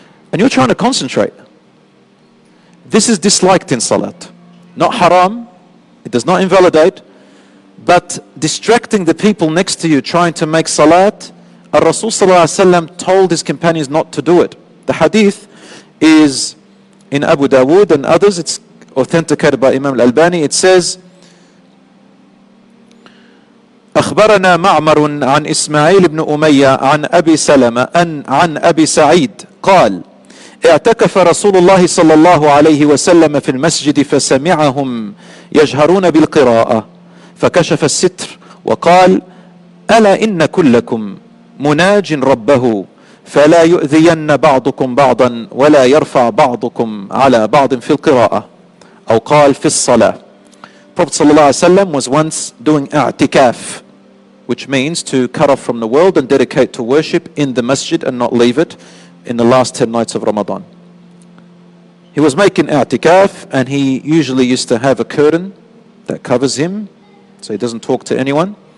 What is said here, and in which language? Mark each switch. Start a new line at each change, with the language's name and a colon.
English: And you're trying to concentrate. This is disliked in salat. Not haram. It does not invalidate. But distracting the people next to you trying to make salat, Rasul sallallahu alayhi wa sallam told his companions not to do it. The hadith is in Abu Dawood and others. It's authenticated by Imam al-Albani. It says,
Arabic: أخبرنا معمر عن إسماعيل بن أمية عن أبي سلمة عن أبي سعيد قال اعتكف رسول الله صلى الله عليه وسلم في المسجد فسمعهم يجهرون بالقراءة فكشف الستر وقال ألا إن كلكم مناج ربه فلا يؤذين بعضكم بعضا ولا يرفع بعضكم على بعض في القراءة أو قال في الصلاة.
English: Prophet صلى الله عليه وسلم was once doing اعتكاف, which means to cut off from the world and dedicate to worship in the masjid and not leave it in the last 10 nights of Ramadan. He was making i'tikaf, and he usually used to have a curtain that covers him so he doesn't talk to anyone.